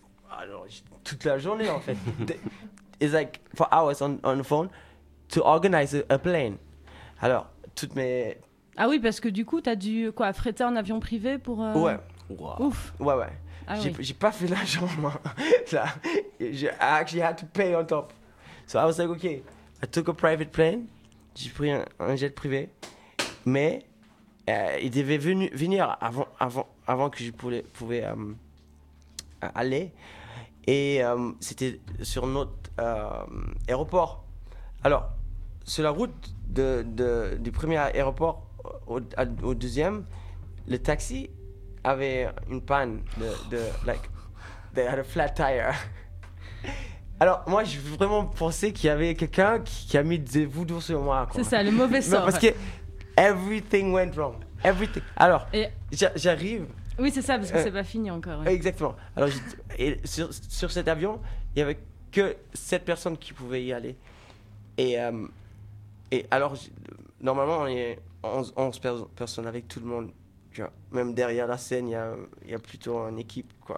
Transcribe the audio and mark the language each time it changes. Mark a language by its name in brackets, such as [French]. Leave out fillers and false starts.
[French] Alors toute la journée, en fait. [English] It's like for hours on the phone to organize a plane. [French] Alors toutes mes... Ah oui, parce que du coup t'as dû quoi fretter un avion privé pour ouais. Wow. Ouf. Ouais ouais. Ah, j'ai pas fait l'argent, moi. [English] Là, I actually had to pay on top. So I was like, okay, I took a private plane. [French] J'ai pris un jet privé, mais il devait venir avant que je pouvais aller. Et c'était sur notre aéroport. Alors, sur la route du premier aéroport au deuxième, le taxi avait une panne [English] like, they had a flat tire. [French] Alors, moi, j'ai vraiment pensé qu'il y avait quelqu'un qui a mis des voodoos sur moi, quoi. C'est ça, le mauvais sort. Parce que [English] everything went wrong. Everything. [French] Alors, j'arrive. Oui, c'est ça, parce que c'est pas fini encore. Ouais. Exactement. Alors, sur cet avion, il n'y avait que 7 personnes qui pouvaient y aller. Et alors, normalement, on est 11 personnes avec tout le monde. Même derrière la scène, il y a plutôt une équipe, quoi.